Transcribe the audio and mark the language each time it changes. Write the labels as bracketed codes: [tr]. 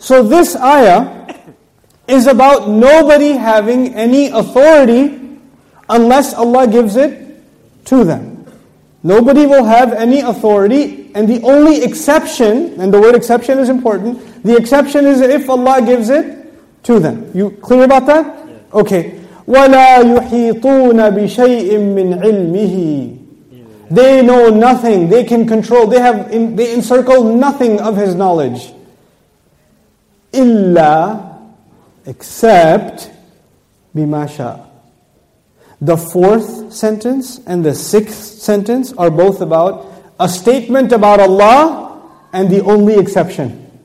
[en] So this ayah is about nobody having any authority unless Allah gives it to them. Nobody will have any authority, and the only exception, and the word exception is important, the exception is if Allah gives it to them. You clear about that? Okay. [ar] وَلَا يُحِيطُونَ بِشَيْءٍ مِّنْ عِلْمِهِ [en] They know nothing. They can control. They encircle nothing of his knowledge. إِلَّا except [ar] بِمَا شَاءَ [en] The fourth sentence and the sixth sentence are both about a statement about Allah and the only exception.